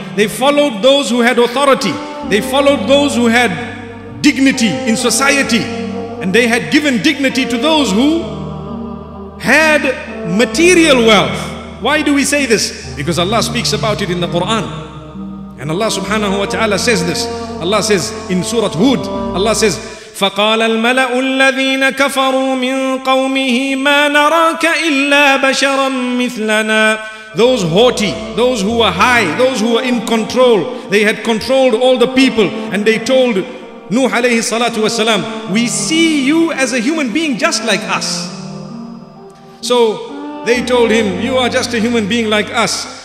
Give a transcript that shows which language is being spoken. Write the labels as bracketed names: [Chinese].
[English] They followed those who had authority. They followed those who had dignity in society. And they had given dignity to those who had material wealth. Why do we say this? Because Allah speaks about it in the Quran. And Allah subhanahu wa ta'ala says this. Allah says in Surah Hud, Allah says, [Arabic] فقال الملأ الذين كفروا من قومه ما نراك إلا بشرا مثلنا. [English] Those haughty, those who were high, those who were in control, they had controlled all the people and they told Nuh alayhi salatu wasalam, we see you as a human being just like us. So they told him, you are just a human being like us.